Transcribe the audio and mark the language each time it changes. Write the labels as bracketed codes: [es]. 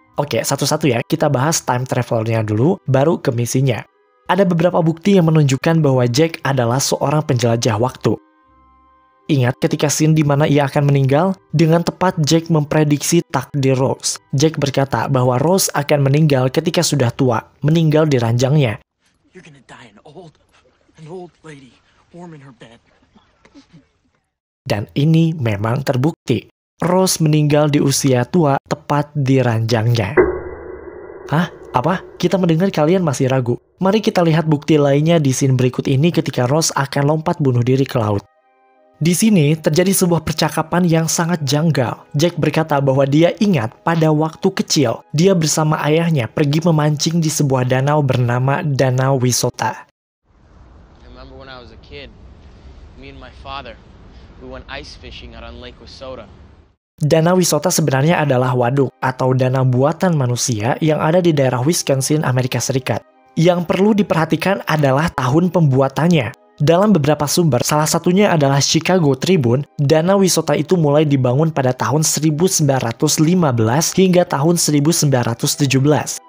[id] Oke, satu-satu ya, kita bahas time travelernya dulu, baru ke misinya. Ada beberapa bukti yang menunjukkan bahwa Jack adalah seorang penjelajah waktu. Ingat ketika scene di mana ia akan meninggal? Dengan tepat Jack memprediksi takdir Rose. Jack berkata bahwa Rose akan meninggal ketika sudah tua, meninggal di ranjangnya. [en] You're gonna die an old lady, warm in her bed. [id] Dan ini memang terbukti. Rose meninggal di usia tua, tepat di ranjangnya. Hah? Apa? Kita mendengar kalian masih ragu. Mari kita lihat bukti lainnya di scene berikut ini ketika Rose akan lompat bunuh diri ke laut. Di sini terjadi sebuah percakapan yang sangat janggal. Jack berkata bahwa dia ingat pada waktu kecil, dia bersama ayahnya pergi memancing di sebuah danau bernama Danau Wisota. [en] I remember when I was a kid, me and my father, we went ice fishing out on Lake Wisota. [id] Danau Wisota sebenarnya adalah waduk atau danau buatan manusia yang ada di daerah Wisconsin, Amerika Serikat. Yang perlu diperhatikan adalah tahun pembuatannya. Dalam beberapa sumber, salah satunya adalah Chicago Tribune, Danau Wisota itu mulai dibangun pada tahun 1915 hingga tahun 1917.